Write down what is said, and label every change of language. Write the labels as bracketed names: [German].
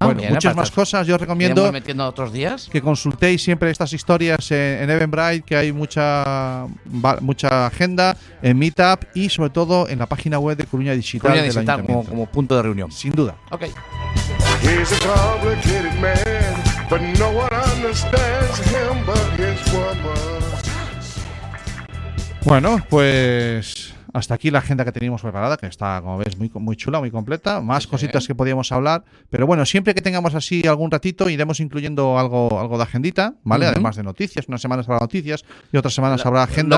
[Spanish] Bueno, bien, muchas más cosas. Yo recomiendo metiendo otros días. Que consultéis siempre estas historias en Eventbrite, que hay mucha agenda, en Meetup y sobre todo en la página web de Coruña Digital. Coruña Digital como punto de reunión. Sin duda. Ok. [English] He's a complicated man, but no one understands him but his woman. [Spanish] Bueno, pues hasta aquí la agenda que teníamos preparada, que está, como ves, muy, muy chula, muy completa. Más cositas que podíamos hablar. Pero bueno, siempre que tengamos así algún ratito, iremos incluyendo algo de agendita, ¿vale? Uh-huh. Además de noticias. Unas semanas habrá noticias y otras semanas habrá agenda.